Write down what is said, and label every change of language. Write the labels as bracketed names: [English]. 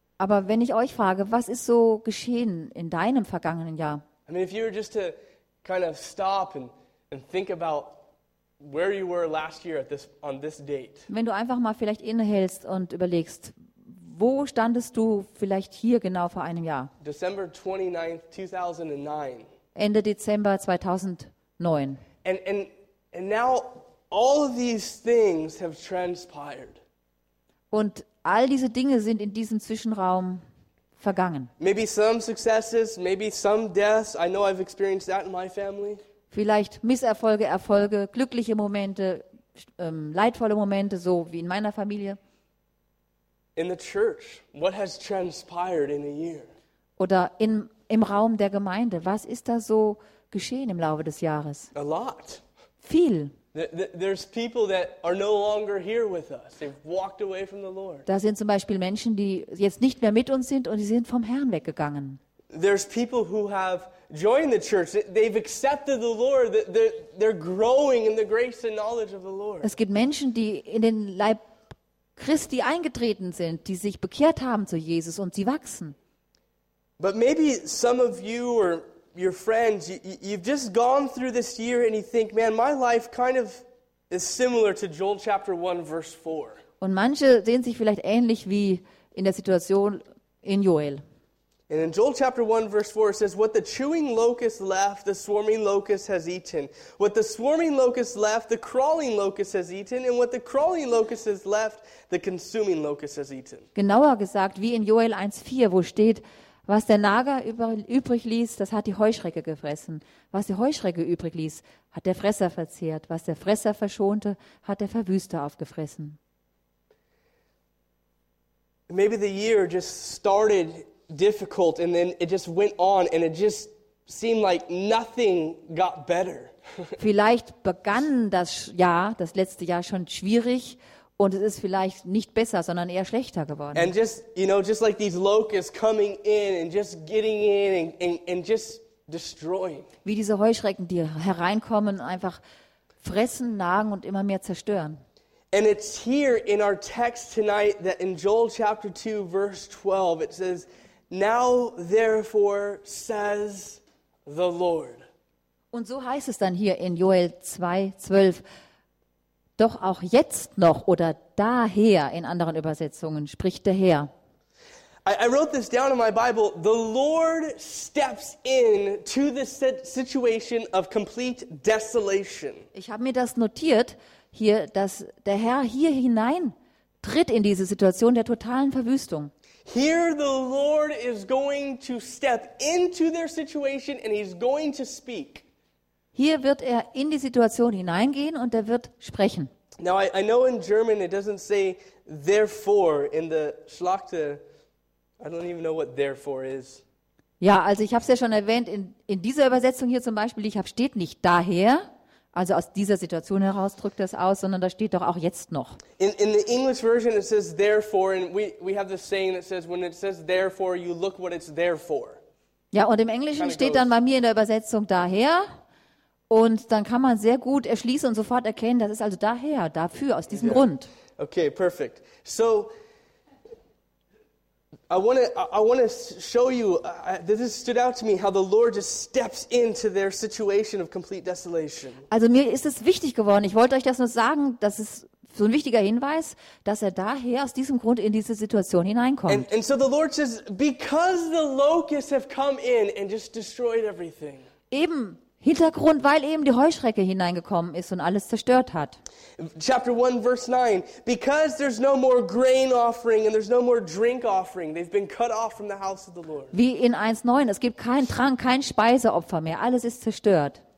[German] Aber wenn ich euch frage, was ist so geschehen in deinem vergangenen Jahr? [English] I mean, if you were just to kind of stop and think about where you were last year at this on this date. [German] Wenn du einfach mal vielleicht innehältst und überlegst, wo standest du vielleicht hier genau vor einem Jahr? [English] December 29th, 2009. [German] Ende Dezember 2009. [English] And now all of these things have transpired. [German] Und all diese Dinge sind in diesem Zwischenraum vergangen. [English] Maybe some successes, maybe some deaths. I know I've experienced that in my family. [German] Vielleicht Misserfolge, Erfolge, glückliche Momente, leidvolle Momente, so wie in meiner Familie. [English] In the church, what has transpired in a year? [German] Oder im Raum der Gemeinde, was ist da so geschehen im Laufe des Jahres? [English] A lot. [German] Viel. [English] There's people that are no longer here with us. They've walked away from the Lord. [German] Da sind zum Beispiel Menschen, die jetzt nicht mehr mit uns sind und die sind vom Herrn weggegangen. [English] There's people who have joined the church. They've accepted the Lord. They're growing in the grace and knowledge of the Lord. [German] Es gibt Menschen, die in den Leib Christi eingetreten sind, die sich bekehrt haben zu Jesus und sie wachsen. [English] But maybe some of you or your friends, you've just gone through this year and you think, man, my life kind of is similar to Joel chapter 1 verse 4. [German] Und manche sehen sich vielleicht ähnlich wie in der Situation in Joel. [English] And in Joel chapter 1 verse 4 it says, what the chewing locust left, the swarming locust has eaten. What the swarming locust left, the crawling locust has eaten. And what the crawling locust has left, the consuming locust has eaten. [German] Genauer gesagt, wie in Joel 1:4, wo steht, was der Nager übrig ließ, das hat die Heuschrecke gefressen. Was die Heuschrecke übrig ließ, hat der Fresser verzehrt. Was der Fresser verschonte, hat der Verwüster aufgefressen. [English] Maybe the year just started difficult and then it just went on and it just seemed like nothing got better. [German] Vielleicht begann das letzte Jahr schon schwierig und es ist vielleicht nicht besser, sondern eher schlechter geworden. [English] And just, you know, just like these locusts coming in and just getting in and just destroying. [German] Wie diese Heuschrecken, die hereinkommen, einfach fressen, nagen und immer mehr zerstören. [English] And it's here in our text tonight that in Joel chapter 2 verse 12 it says, now therefore says the Lord. [German] Und so heißt es dann hier in Joel 2:12. Doch auch jetzt noch oder daher in anderen Übersetzungen spricht der Herr. [English] I wrote this down in my Bible. The Lord steps in to the situation of complete desolation. [German] Ich habe mir das notiert hier, dass der Herr hier hinein tritt in diese Situation der totalen Verwüstung. [English] Here the Lord is going to step into their situation and he's going to speak. [German] Hier wird er in die Situation hineingehen und er wird sprechen. [English] Now I know in German it doesn't say therefore in the Schlachter. I don't even know what therefore is. [German] Ja, also ich habe es ja schon erwähnt, in dieser Übersetzung hier zum Beispiel, ich habe steht nicht daher. Also aus dieser Situation heraus drückt das aus, sondern da steht doch auch jetzt noch. [English] In the English version it says therefore, and we have the saying that says when it says therefore, you look what it's there for. [German] Ja, und im Englischen steht dann bei mir in der Übersetzung daher, und dann kann man sehr gut erschließen und sofort erkennen, das ist also daher, dafür, aus diesem Grund. [English] Okay, perfect. So, I want to show you, this stood out to me, how the Lord just steps into their situation of complete desolation. [German] Also mir ist es wichtig geworden, ich wollte euch das nur sagen, das ist so ein wichtiger Hinweis, dass er daher aus diesem Grund in diese Situation hineinkommt. [English] And so the Lord says, because the locusts have come in and just destroyed everything. [German] Eben, Hintergrund, weil eben die Heuschrecke hineingekommen ist und alles zerstört hat. [English] Chapter 1, verse 9. Because there's no more grain offering and there's no more drink offering, they've been cut off from the house of the Lord. [German] Wie in 1:9, es gibt keinen Trank, kein Speiseopfer mehr, alles ist zerstört.